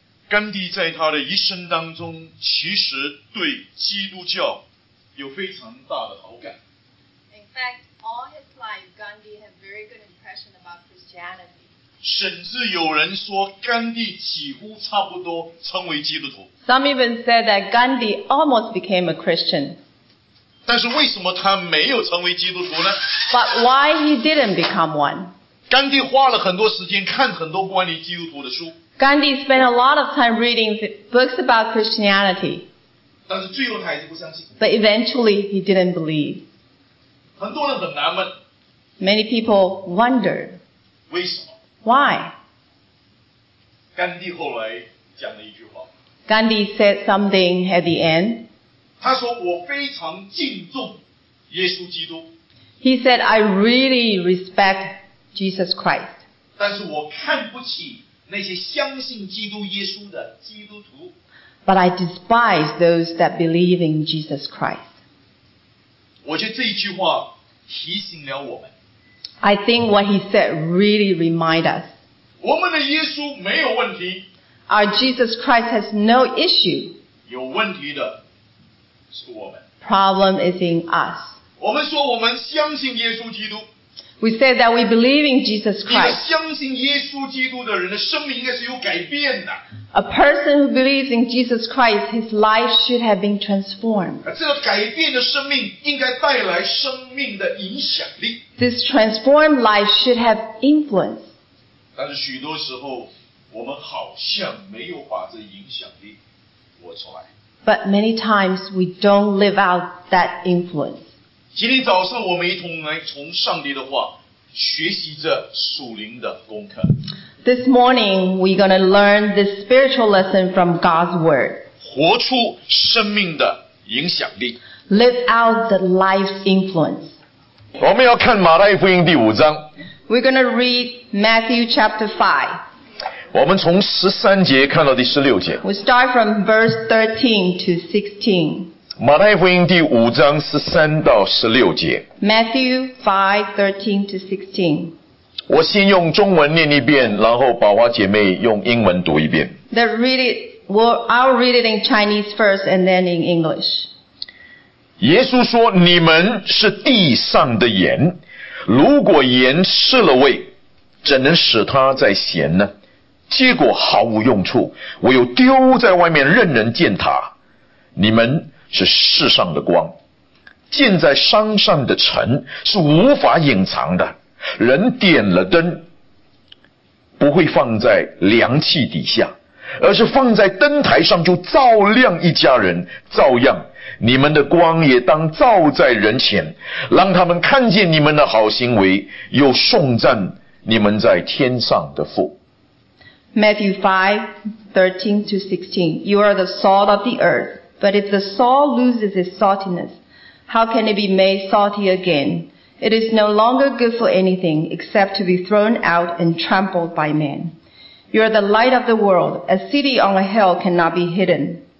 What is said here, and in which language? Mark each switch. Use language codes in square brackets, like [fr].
[zh] 甘地在他的一生当中，其实对基督教有非常大的好感。 [en] In fact, all his life, Gandhi had very good impression about Christianity. [zh] 甚至有人说，甘地几乎差不多成为基督徒。 [en] Some even said that Gandhi almost became a Christian. [zh] 但是为什么他没有成为基督徒呢？ [en] But why he didn't become one? [zh] 甘地花了很多时间看很多关于基督徒的书。 [en] Gandhi spent a lot of time reading books about Christianity. [zh] 但是最后他还是不相信。 [en] But eventually he didn't believe. [zh] 很多人很难问。 [en] Many people wondered. [zh] 为什么？ [en] Why? [zh] Gandhi 后来讲了一句话。 [en] Gandhi said something at the end. [zh] 他说我非常敬重耶稣基督。 [en] He said, I really respect Jesus Christ. [zh] 但是我看不起那些相信基督耶稣的基督徒。 [en] But I despise those that believe in Jesus Christ. [zh] 我觉得这一句话提醒了我们。 [en] I think what he said really remind us. [zh] 我们的耶稣没有问题。 [en] Our Jesus Christ has no issue. [zh] 有问题的是我们。 [en] Problem is in us. [zh] 我们说我们相信耶稣基督。 [en] We say that we believe in Jesus Christ. [zh] 一个相信耶稣基督的人的生命应该是有改变的。 [en] A person who believes in Jesus Christ, his life should have been transformed. [zh] 这个改变的生命应该带来生命的影响力。 [en] This transformed life should have influence. [zh] 但是许多时候，我们好像没有把这影响力活出来。 [en] But many times we don't live out that influence. [zh] 今天早上我们一同来从上帝的话学习这属灵的功课。 [en] This morning, we're going to learn this spiritual lesson from God's Word. [zh] 活出生命的影响力。 [en] Live out the life's influence. [zh] 我们要看马太福音第五章。 [en] We're going to read Matthew chapter 5. [zh] 我们从十三节看到第十六节。 [en] We start from verse 13 to 16. [zh] 马太福音第五章十三到十六节。 [en] Matthew 5:13-16. [zh] 我先用中文念一遍，然后宝华姐妹用英文读一遍。 [en] I'll read it in Chinese first and then in English. [zh] 耶稣说：“你们是地上的盐，如果盐失了味，怎能使它再咸呢？结果毫无用处，唯有丢在外面，任人践踏。你们。” 是世上的光，建在山上的城是无法隐藏的。人点了灯，不会放在凉气底下，而是放在灯台上，就照亮一家人。照样，你们的光也当照在人前，让他们看见你们的好行为，又颂赞你们在天上的父。 [en] Matthew 5:13-16. You are the salt of the earth. But if the salt loses its saltiness, how can it be made salty again? It is no longer good for anything except to be thrown out and trampled by men. You are the light of the world. A city on a hill cannot be hidden.